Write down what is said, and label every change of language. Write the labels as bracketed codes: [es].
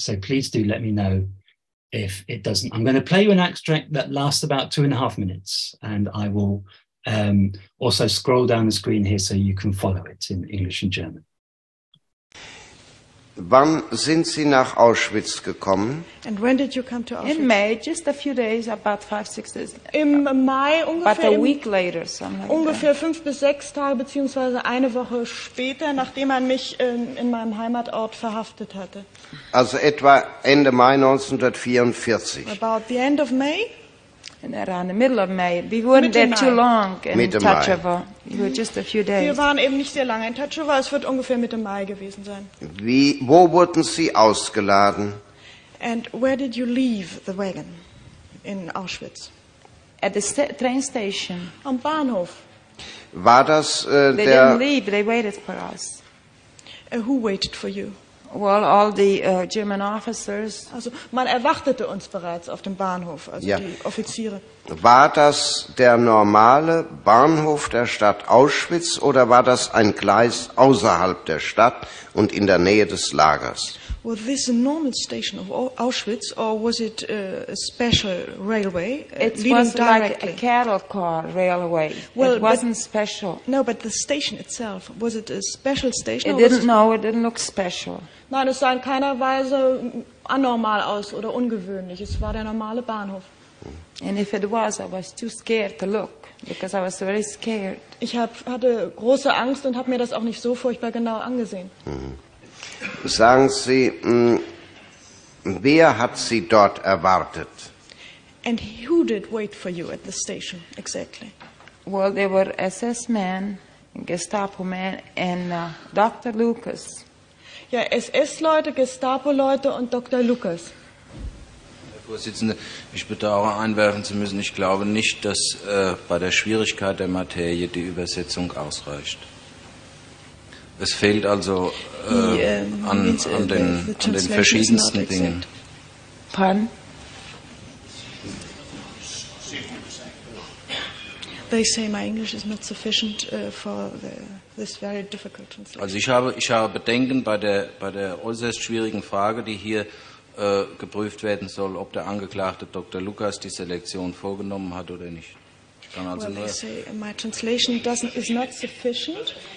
[en] So please do let me know if it doesn't. I'm going to play you an extract that lasts about 2.5 minutes, and I will also scroll down the screen here so you can follow it in English and German. [de] Wann sind Sie nach Auschwitz gekommen? [en] And when did you come to Auschwitz? In May, just a few days, about 5-6 days. [de] Im Mai ungefähr. [en] But a week later, something like [de] ungefähr [en] that. [de] Ungefähr 5 bis 6 Tage, beziehungsweise eine Woche später, nachdem man mich in meinem Heimatort verhaftet hatte. Also etwa Ende Mai 1944. [en] About the end of May? And around the middle of May. We weren't there too long in Tachova. We were just a few days. [de] Wir waren eben nicht sehr lange in Tachova. Es wird ungefähr Mitte Mai gewesen sein. Wo wurden Sie ausgeladen? [en] And where did you leave the wagon in Auschwitz? At the train station. [de] Am Bahnhof. War das, [en] they [de] der [en] didn't leave, they waited for us. Who waited for you? Well, all the German officers. [de] Also, man erwartete uns bereits auf dem Bahnhof, also ja. Die Offiziere. War das der normale Bahnhof der Stadt Auschwitz oder war das ein Gleis außerhalb der Stadt und in der Nähe des Lagers? [en] Was this a normal station of Auschwitz or was it a special railway leading directly? It was like a cattle car railway. Well, it wasn't special. No, but the station itself, was it a special station? It didn't look special. [de] Nein, es sah in keiner Weise anormal aus oder ungewöhnlich. Es war der normale Bahnhof. [en] And if it was, I was too scared to look, because I was very scared. [de] Ich hatte große Angst und habe mir das auch nicht so furchtbar genau angesehen. Sagen Sie, wer hat Sie dort erwartet? [en] And who did wait for you at the station, exactly? Well, there were SS men, Gestapo men, and Dr. Lucas. [de] Ja, SS-Leute, Gestapo-Leute und Dr. Lucas. Herr Vorsitzende, ich bedauere einwerfen zu müssen, ich glaube nicht, dass bei der Schwierigkeit der Materie die Übersetzung ausreicht. Es fehlt also an den verschiedensten Dingen. [en] Pardon? They say my English is not sufficient for this very difficult translation. [de] Also ich habe Bedenken bei der äußerst schwierigen Frage, die hier geprüft werden soll, ob der Angeklagte Dr. Lucas die Selektion vorgenommen hat oder nicht. Kann also [en] well, they say my translation is not sufficient.